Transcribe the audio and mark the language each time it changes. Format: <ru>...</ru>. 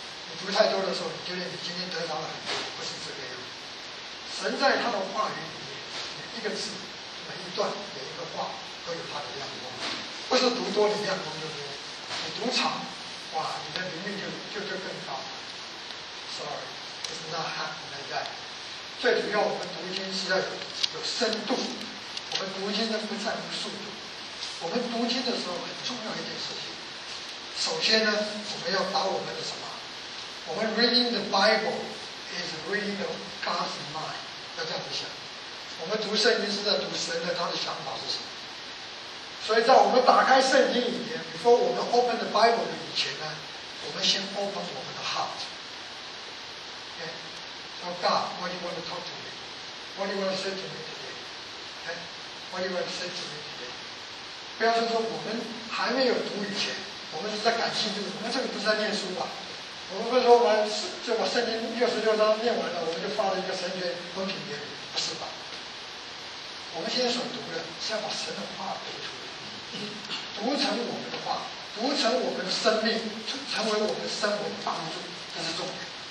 <zh>你读太多的时候，你觉得你今天得到了很多，不是这个样子。神在他的话语里面，每一个字、每一段、每一个话都有他的亮光，不是读多你亮光就多，你读长，哇，你的灵命就更高。</zh> <en>Sorry, it's not happening like that.</en> <zh>最主要，我们读经是要有深度。我们读经呢，不在乎速度。我们读经的时候，很重要一件事情。首先呢，我们要把我们的什么？我们</zh> <en>reading the Bible is reading the God's mind.</en> <zh>要这样子想。我们读圣经是在读神的，他的想法是什么？所以在我们打开圣经以前，比如说我们</zh> <en>open the Bible</en> <zh>以前呢，我们先 open 我们的 heart。</zh> <en>So God, what do you want to talk to me? What do you want to say to me today? What do you want to say to me today?</en> <zh>不要说我们还没有读以前，我们是在感兴趣，我们这个不是在念书吧？我们不是说完就把圣经66章念完了，我们就发了一个神学文凭给你，不是吧？我们现在所读的是要把神的话读出来，读成我们的话，读成我们的生命，成为我们生活的帮助，这是重点。</zh>